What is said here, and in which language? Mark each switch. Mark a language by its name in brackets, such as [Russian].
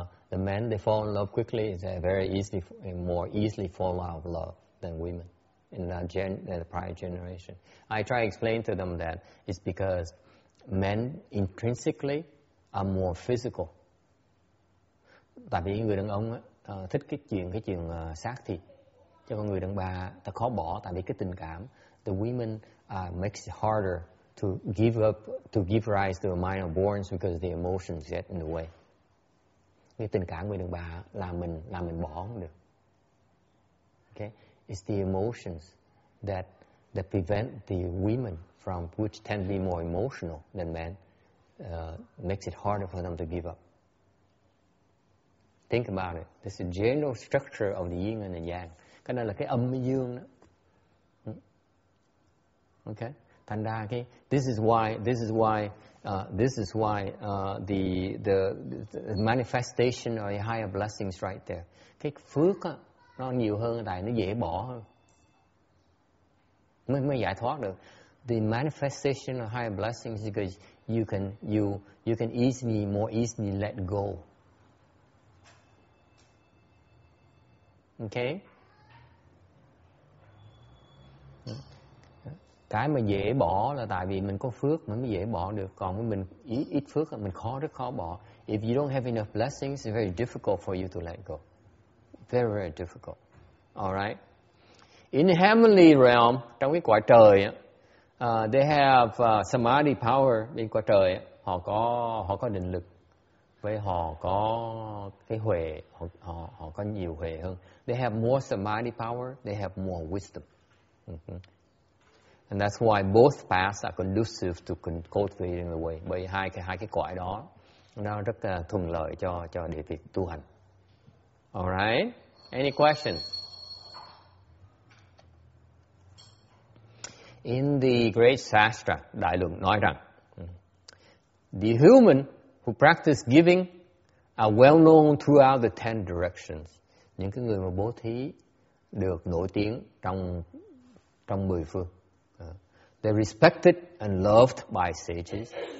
[English] The men, they fall in love quickly, they very easily, more easily fall out of love than women. In the prior generation, I try to explain to them that it's because men intrinsically are more physical. [Vietnamese] Tại vì người đàn ông thích cái chuyện xác thịt, cho con người đàn bà ta khó bỏ tại vì cái tình cảm. [English] The women makes it harder to give up, to give rise to a mind of bonds because the emotions get in the way. [Vietnamese] Cái tình cảm người đàn bà làm mình bỏ không được. [English] Okay. It's the emotions that prevent the women from, which tend to be more emotional than men, makes it harder for them to give up. Think about it. This is the general structure of the yin and the yang. [Vietnamese] Cái này là cái âm dương đó. [English] Okay. [Vietnamese] Thành ra cái, [English] this is why the manifestation of the higher blessings right there. [Vietnamese] Cái phước á, nó nhiều hơn tại nó dễ bỏ hơn. Mới giải thoát được. [English] The manifestation of higher blessings is because you can easily, more easily let go. Okay? [Vietnamese] Cái mà dễ bỏ là tại vì mình có phước mới dễ bỏ được. Còn mình ít phước là mình khó, rất khó bỏ. [English] If you don't have enough blessings, it's very difficult for you to let go. Very, very difficult. All right. In the heavenly realm, [Vietnamese] trong cái quả trời, [English] they have samadhi power. [Vietnamese] Bên quả trời, họ có định lực, với họ có cái huệ, họ có nhiều huệ hơn. [English] They have more samadhi power. They have more wisdom. Mm-hmm. And that's why both paths are conducive to cultivating the way. [Vietnamese] Bởi hai cái quả đó nó rất thuận lợi cho để việc tu hành. [English] All right. Any question? In the great Shastra, [Vietnamese] Đại Luận nói rằng, [English] the human who practice giving are well known throughout the 10 directions. [Vietnamese] Những cái người mà bố thí được nổi tiếng trong 10 phương. [English] They're respected and loved by sages.